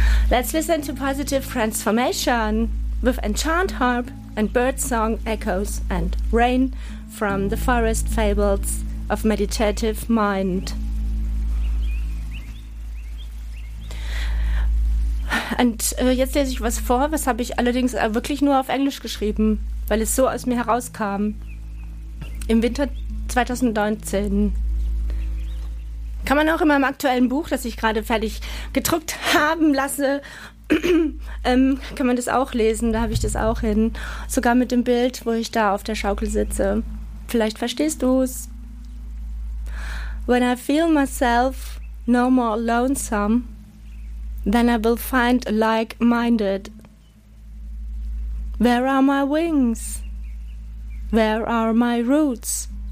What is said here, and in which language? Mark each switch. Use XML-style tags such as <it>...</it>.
<en>Let's listen to Positive Transformation with Enchant Harp and Birdsong Echoes and Rain from the Forest Fables of Meditative Mind.</en> <de>Und jetzt lese ich was vor, was habe ich allerdings wirklich nur auf Englisch geschrieben, weil es so aus mir herauskam. Im Winter 2019. Kann man auch in meinem aktuellen Buch, das ich gerade fertig gedruckt haben lasse, kann man das auch lesen, da habe ich das auch hin. Sogar mit dem Bild, wo ich da auf der Schaukel sitze. Vielleicht verstehst du es.</de> <en>When I feel myself no more lonesome, then I will find like-minded. Where are my wings? Where are my roots?</en>